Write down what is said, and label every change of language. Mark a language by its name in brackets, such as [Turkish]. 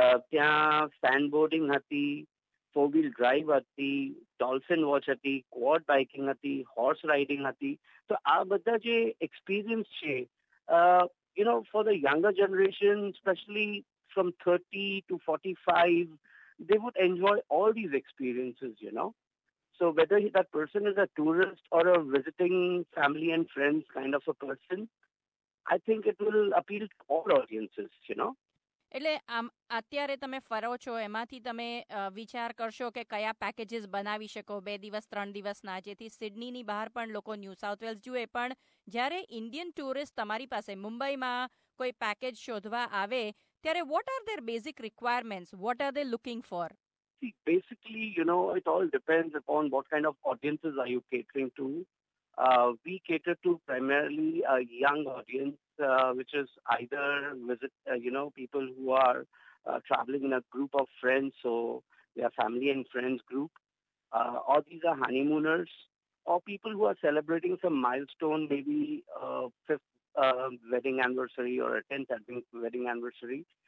[Gujarati] ત્યાં સેન્ડબોર્ડિંગ હતી, four wheel drive હતી, ડોલ્ફિન વોચ હતી, ક્વોડ બાઇકિંગ હતી, હોર્સ રાઇડિંગ હતી. તો આ બધા જે એક્સપિરિયન્સ છે, [English] You know, for the younger generation, specially from 30 to 45, they would enjoy all these experiences, you know. So whether that person is a tourist or a visiting family and friends kind of a person, I think it will appeal to all audiences, you know. [Gujarati] એટલે અત્યારે તમે ફરો છો એમાંથી તમે વિચાર કરશો કે કયા પેકેજીસ બનાવી શકો 2 દિવસ 3 દિવસના, જેથી સિડનીની બહાર પણ લોકો ન્યૂ સાઉથ વેલ્સ જુએ. પણ જ્યારે ઇન્ડિયન ટુરિસ્ટ તમારી પાસે મુંબઈમાં કોઈ પેકેજ શોધવા આવે ત્યારે [English] What are there basic requirements, what are they looking for? Basically, you know, it all depends upon what kind of audiences are you catering to. We cater to primarily a young audience, which is either visit, you know, people who are traveling in a group of friends, so their family and friends group, or these are honeymooners, or people who are celebrating some milestone, maybe a 5th wedding anniversary or a 10th wedding anniversary.